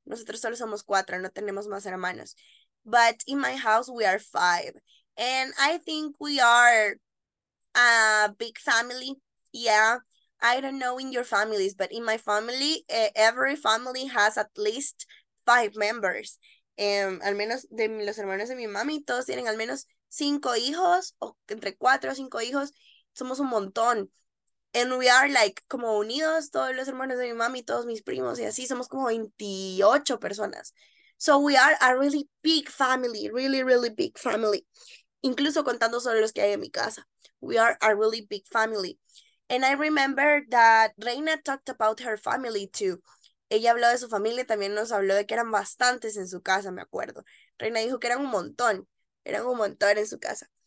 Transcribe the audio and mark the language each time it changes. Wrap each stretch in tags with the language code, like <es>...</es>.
<es>Nosotros solo somos cuatro, no tenemos más hermanos.</es> <en>But in my house we are five, and I think we are a big family. Yeah, I don't know in your families, but in my family, every family has at least five members.</en> <es>Al menos de los hermanos de mi mami, todos tienen al menos cinco hijos, o entre cuatro o cinco hijos. Somos un montón.</es> <en>And we are like</en> <es>como unidos, todos los hermanos de mi mami, todos mis primos, y así somos como 28 personas.</es> <en>So we are a really big family, really, really big family.</en> <es>Incluso contando solo los que hay en mi casa.</es> <en>We are a really big family. And I remember that Reina talked about her family too.</en> <es>Ella habló de su familia, también nos habló de que eran bastantes en su casa, me acuerdo. Reina dijo que eran un montón en su casa.</es>